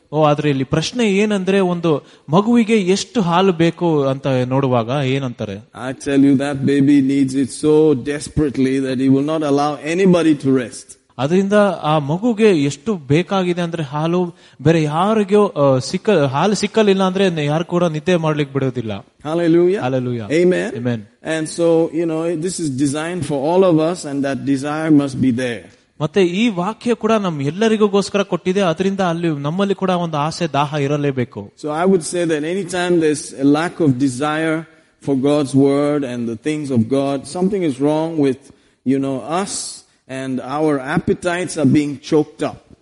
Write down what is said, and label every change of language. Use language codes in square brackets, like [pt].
[kn] ಓ ಆದ್ರೆ ಇಲ್ಲಿ ಪ್ರಶ್ನೆ ಏನಂದ್ರೆ ಒಂದು ಮಗುವಿಗೆ ಎಷ್ಟು ಹಾಲು ಬೇಕು ಅಂತ ನೋಡುವಾಗ ಏನಂತಾರೆ. [en] I tell you that baby needs it so desperately that he will not allow anybody to rest. [kn] ಅದರಿಂದ ಆ ಮಗುಗೆ ಎಷ್ಟು ಬೇಕಾಗಿದೆ ಅಂದ್ರೆ ಹಾಲು ಬೇರೆ ಯಾರಿಗೆ ಹಾಲು ಸಿಕ್ಕಲಿಲ್ಲ ಅಂದ್ರೆ ಯಾರು ಕೂಡ ನಿದ್ದೆ ಮಾಡ್ಲಿಕ್ಕೆ ಬಿಡೋದಿಲ್ಲ. [en] And so you know this is designed for all of us and that desire must be there. [kn] ಮತ್ತೆ ಈ ವಾಕ್ಯ ಕೂಡ ನಮ್ ಎಲ್ಲರಿಗೋಸ್ಕರ ಕೊಟ್ಟಿದೆ, ಅದರಿಂದ ಅಲ್ಲಿ ನಮ್ಮಲ್ಲಿ ಕೂಡ ಒಂದು ಆಸೆ ದಾಹ ಇರಲೇಬೇಕು. [en] So I would say that any time there's a lack of desire for God's word and the things of God, something is wrong with you know us and our appetites are being choked up.